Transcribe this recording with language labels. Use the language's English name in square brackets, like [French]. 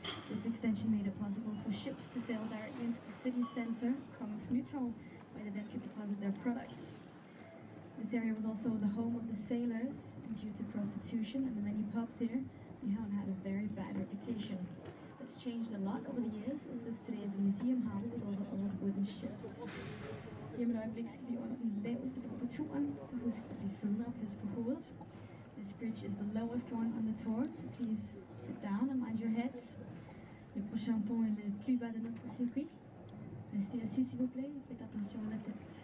[English] This extension made it possible for ships to sail directly into the city center, Kongens Nytorv, where they then could deposit their products. This area was also the home of the sailors, and due to prostitution and the many pubs here, Nyhavn had a very bad reputation. It's changed a lot over the years, as this today is a museum harbor with all the old wooden ships. [Danish] Hjem et øjeblik skal vi under den laveste bro på turen, så husk at blive siddende og passe på hovedet. [English] This bridge is the lowest one on the tour, so please sit down and mind your heads. [French] Le prochain pont est le plus bas de notre circuit. Restez assis s'il vous plaît, faites attention à la tête.